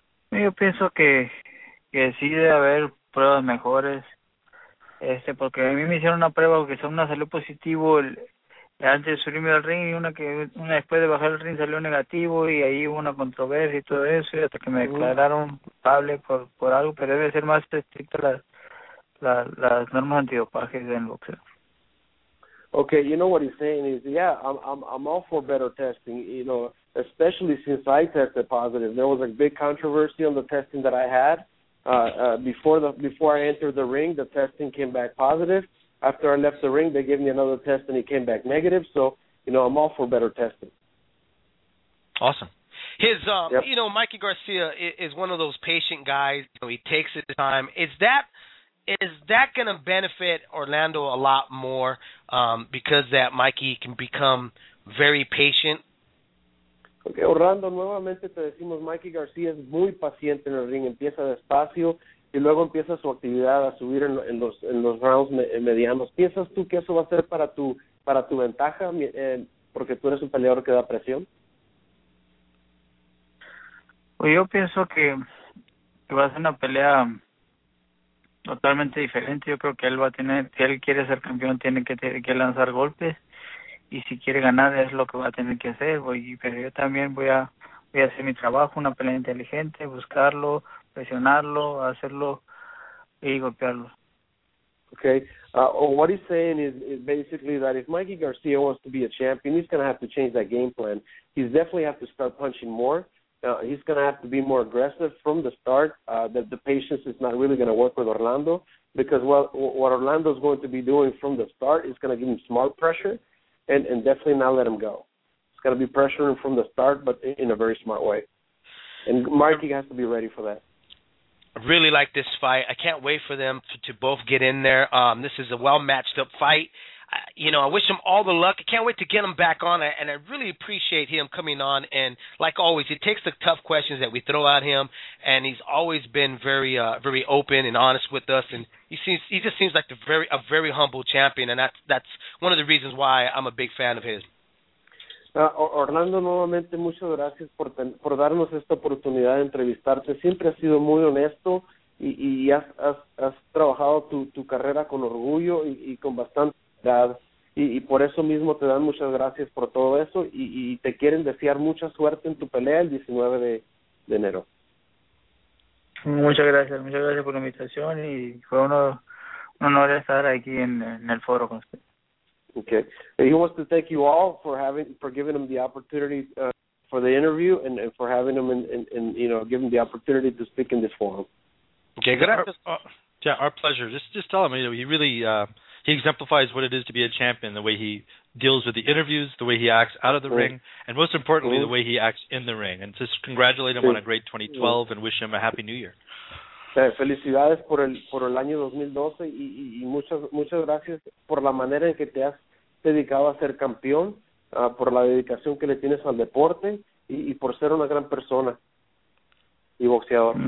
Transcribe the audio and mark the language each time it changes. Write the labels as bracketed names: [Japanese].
[Spanish] Yo pienso que sí debe haber pruebas mejores, porque a mí me hicieron una prueba, que una salió positivo antes de subirme al ring, y una después de bajar el ring salió negativo, y ahí hubo una controversia y todo eso, y hasta que me declararon culpable por algo, pero debe ser más estricta las normas antidopaje en el boxeo. [English] Okay, you know what he's saying is, I'm all for better testing, you know, especially since I tested positive. There was a big controversy on the testing that I had. Before I entered the ring, the testing came back positive. After I left the ring, they gave me another test, and it came back negative. So, you know, I'm all for better testing. Awesome. His, you know, Mikey Garcia is one of those patient guys. You know, he takes his time. Is that going to benefit Orlando a lot more because that Mikey can become very patient? [Spanish] Okay, Orlando, nuevamente te decimos, Mikey García es muy paciente en el ring, empieza despacio y luego empieza su actividad a subir en los rounds medianos. ¿Piensas tú que eso va a ser para tu ventaja porque tú eres un peleador que da presión? Pues yo pienso que va a ser una pelea totalmente diferente. Yo creo que él va a tener, si él quiere ser campeón, tiene que lanzar golpes. Y si quiere ganar, es lo que va a tener que hacer. Pero yo también voy a hacer mi trabajo, una pelea inteligente, buscarlo, presionarlo, hacerlo y golpearlo. [English] Okay. What he's saying is basically that if Mikey Garcia wants to be a champion, he's going to have to change that game plan. He's definitely have to start punching more. He's going to have to be more aggressive from the start. The patience is not really going to work with Orlando, because what Orlando is going to be doing from the start is going to give him smart pressure and definitely not let him go. It's going to be pressuring from the start, but in a very smart way. And Marky has to be ready for that. I really like this fight. I can't wait for them to both get in there. This is a well-matched-up fight. I wish him all the luck. I can't wait to get him back on, and I really appreciate him coming on. And like always, he takes the tough questions that we throw at him, and he's always been very, very open and honest with us. And he just seems like a very humble champion, and that's one of the reasons why I'm a big fan of his. [Spanish] Orlando, nuevamente, muchas gracias por darnos esta oportunidad de entrevistarte. Siempre has sido muy honesto. Y has trabajado tu carrera con orgullo y con bastante edad. Y por eso mismo te dan muchas gracias por todo eso. Y te quieren desear mucha suerte en tu pelea el 19 de enero. Muchas gracias por la invitación. Y fue un honor estar aquí en el foro con usted. [English] Okay. He wants to thank you all for giving him the opportunity for the interview and for having him giving the opportunity to speak in this forum. Okay, our pleasure. Just tell him, he really he exemplifies what it is to be a champion, the way he deals with the interviews, the way he acts out of the ring, and most importantly, the way he acts in the ring. And just congratulate him on a great 2012 and wish him a happy new year. [Spanish] Felicidades por el año 2012 y muchas gracias por la manera en que te has dedicado a ser campeón, por la dedicación que le tienes al deporte y por ser una gran persona y boxeador.